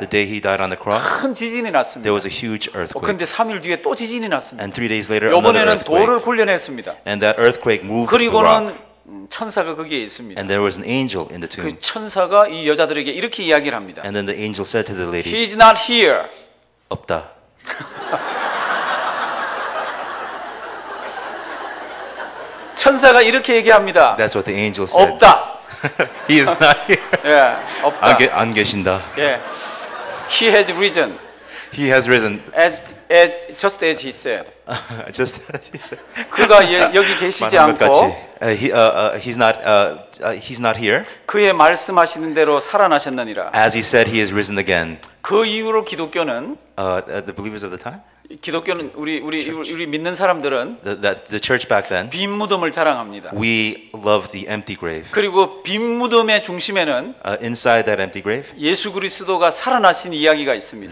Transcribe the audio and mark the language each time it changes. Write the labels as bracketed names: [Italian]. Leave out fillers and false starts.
[English] The day he died on the cross. [Korean] 큰 지진이 났습니다. [English] There was a huge earthquake. [Korean] 근데 3일 뒤에 또 지진이 났습니다. [English] And 3 days later [Korean] 이번에는 돌을 굴려냈습니다. [English] And that earthquake moved the rock. [Korean] 그리고는 천사가 거기에 있습니다. [English] And there was an angel in the tomb. [Korean] 그 천사가 이 여자들에게 이렇게 이야기를 합니다. [English] And then the angel said to the ladies. He's not here. [Korean] 없다. 천사가 이렇게 얘기합니다. [English] That's what the angel said. [Korean] 없다. [English] He is not here. [Korean] 예, 없다. 안 계신다. [English] 예. He has risen. He has risen. Just as he said. Just as he said. [Korean] 그가 여기 계시지 않고. [English] He's not here. [Korean] 그의 말씀하시는 대로 살아나셨느니라. [English] As he said, he has risen again. [Korean] 그 이후로 기독교는 [English] the believers of the time. [Korean] 기독교는 우리 믿는 사람들은 [English] the church back then [Korean] 빈 무덤을 자랑합니다. [English] We love the empty grave. [Korean] 그리고 빈 무덤의 중심에는 [English] inside that empty grave [Korean] 예수 그리스도가 살아나신 이야기가 있습니다.